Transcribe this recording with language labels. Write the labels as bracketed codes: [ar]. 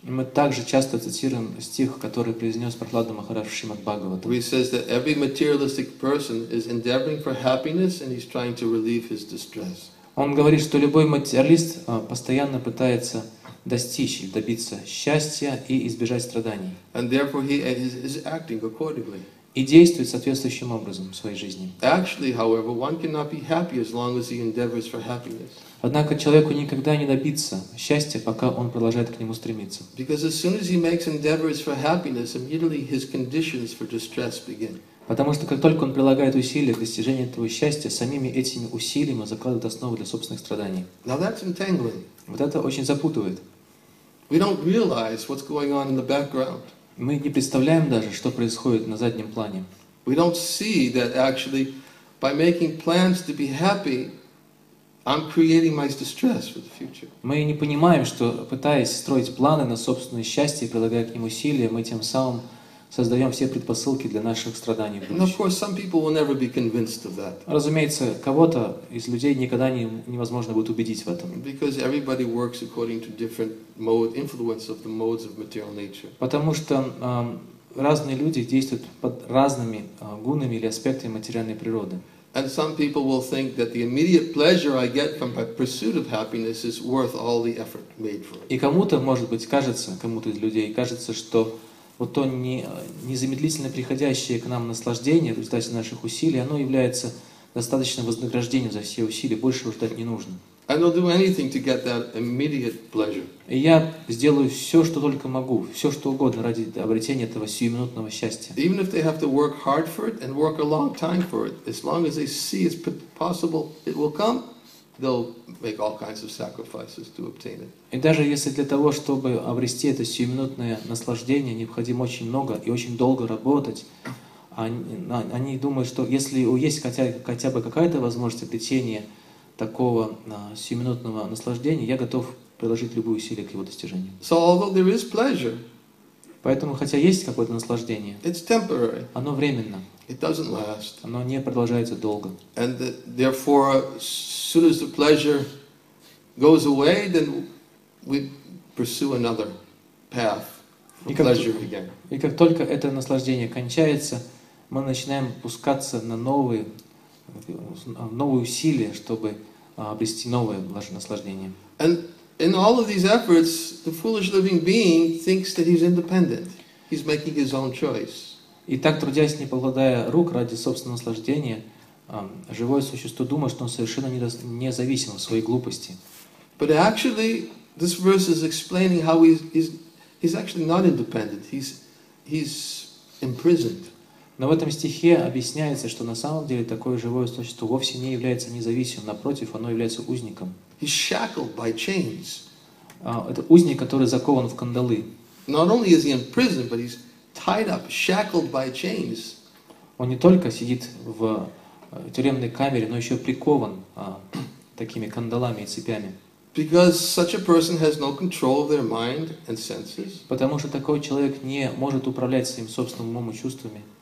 [ru] И мы также часто цитируем стих, который произнес Прахлада Махарадж в Шримад Бхагаватам. [en] He says that every materialistic person is endeavoring for happiness and he's trying to relieve his distress. [ru] Он говорит, что любой материалист постоянно пытается достичь, добиться счастья и избежать страданий. [en] And therefore he is acting accordingly. [ru] И действует соответствующим образом в своей жизни. [en] Actually, however, one cannot be happy as long as he endeavors for happiness. [ru] Однако человеку никогда не добиться счастья, пока он продолжает к нему стремиться. [en] Because as soon as he makes endeavors for happiness, immediately his conditions for distress begin. [ru] Потому что как только он прилагает усилия к достижению этого счастья, самими этими усилиями он закладывает основу для собственных страданий. [en] Now that's entangling. [ru] Вот это очень запутывает. [en] We don't realize what's going on in the background. [ru] Мы не представляем даже, что происходит на заднем плане. [en] We don't see that actually by making plans to be happy, I'm creating my distress for the future. [ru] Мы не понимаем, что пытаясь строить планы на собственное счастье, прилагая к ним усилия, мы тем самым создаем все предпосылки для наших страданий в будущем. [en] And of course, some people will never be convinced of that. [ru] Разумеется, кого-то из людей никогда невозможно будет убедить в этом. [en] Because everybody works according to different mode, influence of the modes of material nature. [ru] Потому что разные люди действуют под разными гунами или аспектами материальной природы. [en] And some people will think that the immediate pleasure I get from my pursuit of happiness is worth all the effort made for it. [ru] И кому-то, может быть, кажется, кому-то из людей кажется, что вот то незамедлительно приходящее к нам наслаждение в результате наших усилий, оно является достаточным вознаграждением за все усилия, большего ждать не нужно. [en] And I'll do anything to get that immediate pleasure. [ru] И я сделаю все, что только могу, все, что угодно ради обретения этого сиюминутного счастья. [en] Even if they have to work hard for it and work a long time for it, as long as they see it's possible, it will come. They'll make all kinds of sacrifices to obtain it. [ru] И даже если для того, чтобы обрести это сиюминутное наслаждение, необходимо очень много и очень долго работать, они думают, что если есть хотя бы какая-то возможность обретения такого сиюминутного наслаждения, я готов приложить любые усилия к его достижению. [en] So although there is pleasure, [ru] поэтому хотя есть какое-то наслаждение, [en] it's temporary. [ru] Оно временно. [en] It doesn't last. [ru] Оно не продолжается долго. [en] And therefore, as soon as the pleasure goes away, then we pursue another path for pleasure again. [ru] И как только это наслаждение кончается, мы начинаем пускаться на новые усилия, чтобы обрести новое наслаждение. [en] And in all of these efforts, the foolish living being thinks that he's independent. He's making his own choice. [ru] И так, трудясь, не покладая рук ради собственного наслаждения, живое существо думает, что он совершенно независим в своей глупости. [en] But actually, this verse is explaining how he's actually not independent. He's imprisoned. [ru] Но в этом стихе объясняется, что на самом деле такое живое существо вовсе не является независимым, напротив, оно является узником. [en] He's shackled by chains. [ru] Это узник, который закован в кандалы. [en] Not only is he imprisoned, but he's tied up, shackled by chains. [ru] Он не только сидит в тюремной камере, но еще прикован такими кандалами и цепями. [en] Because such a person has no control of their mind and senses. [ru] Потому что такой человек не может управлять своим собственным умом и чувствами.